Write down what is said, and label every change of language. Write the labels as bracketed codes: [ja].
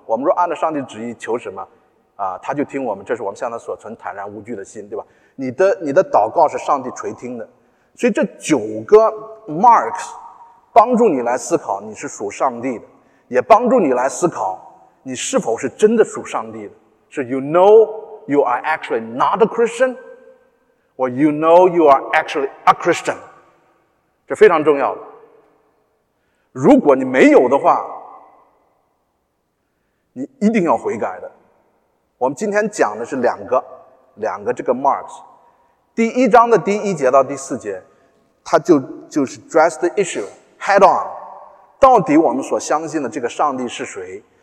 [zh] 我们若按照上帝旨意求什么，他就听我们，这是我们向他所存坦然无惧的心，对吧？你的祷告是上帝垂听的，所以这九个 marks 帮助你来思考你是属上帝的，也帮助你来思考。你是否是真的属上帝的？是 [en] you know you are actually not a Christian, or you know you are actually a Christian? [zh] 这非常重要的。如果你没有的话，你一定要悔改的。我们今天讲的是两个这个 marks。第一章的第一节到第四节，它就是 [en] address the issue head on， [zh] 到底我们所相信的这个上帝是谁？